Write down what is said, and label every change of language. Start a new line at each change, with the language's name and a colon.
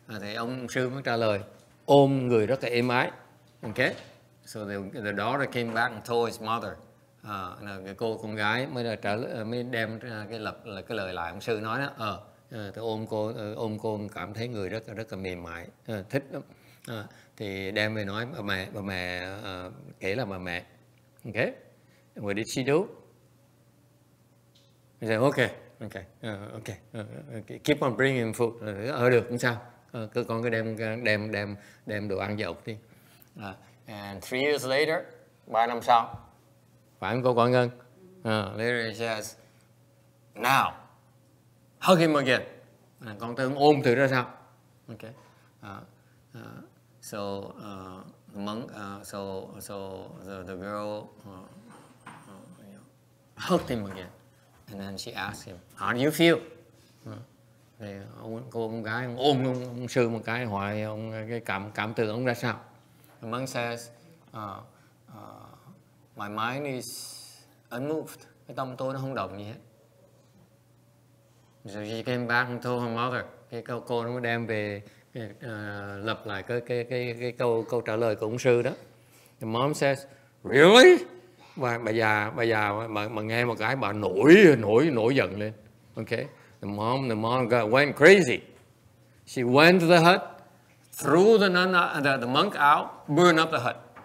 Vietnamese: Thì ông sư mới trả lời ôm người rất là êm ái.
English: Okay, so the daughter came back and told his mother.
Vietnamese: Cái cô con gái mới là trả lời, mới đem cái lời lại ông sư nói đó. Tôi ôm cô cảm thấy người rất là mềm mại, thích lắm. Thì đem về nói bà mẹ kể là bà mẹ.
English: Okay, what did she do? He said okay, keep on bringing food.
Vietnamese: Được không sao, cứ con cứ đem đồ ăn dọc đi.
English: And 3 years later,
Vietnamese: 3 năm sau, phải không cô Quảng Ngân?
English: Later he says, now hug him again.
Vietnamese: Con tưởng ôm thử ra sao. Okay.
English: So the girl hugged him again, and then she asked him, how do you feel?
Vietnamese: Thì cô gái ôm ông sư một cái, hỏi ông cái cảm tưởng ông ra sao.
English: The monk says, my mind is unmoved.
Vietnamese: Cái tâm tôi nó không động gì hết.
English: So she came back and told her mother.
Vietnamese: Cái cô nó mới đem về lặp lại cái câu trả lời của ông sư đó.
English: The mom says, really?
Vietnamese: Bà già nghe một cái bà nổi giận lên.
English: Okay. The mom went crazy. She went to the hut, threw the monk out, burned up the hut.